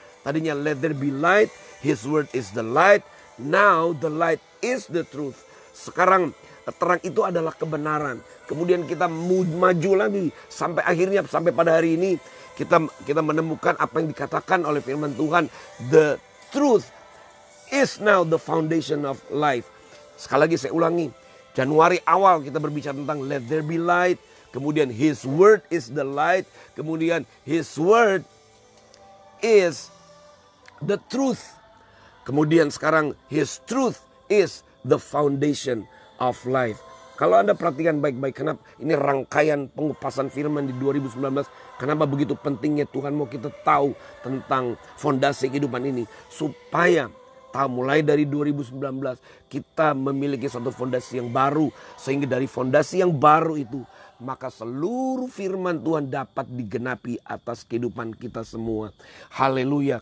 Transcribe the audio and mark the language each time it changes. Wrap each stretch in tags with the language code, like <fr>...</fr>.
<id>Tadinya</id> <en>let there be light, his word is the light. Now the light is the truth.</en> <id>Sekarang terang itu adalah kebenaran. Kemudian kita maju lagi sampai akhirnya sampai pada hari ini kita menemukan apa yang dikatakan oleh firman Tuhan,</id> <en>the truth is now the foundation of life.</en> <id>Sekali lagi saya ulangi, Januari awal kita berbicara tentang</id> <en>let there be light,</en> <id>kemudian</id> <en>his word is the light,</en> <id>kemudian</id> <en>his word is the truth.</en> <id>Kemudian sekarang</id> <en>his truth is the foundation of life.</en> <id>Kalau Anda perhatikan baik-baik, kenapa ini rangkaian pengupasan firman di 2019, kenapa begitu pentingnya Tuhan mau kita tahu tentang fondasi kehidupan ini, supaya tahu mulai dari 2019 kita memiliki satu fondasi yang baru, sehingga dari fondasi yang baru itu maka seluruh firman Tuhan dapat digenapi atas kehidupan kita semua. Haleluya.</id>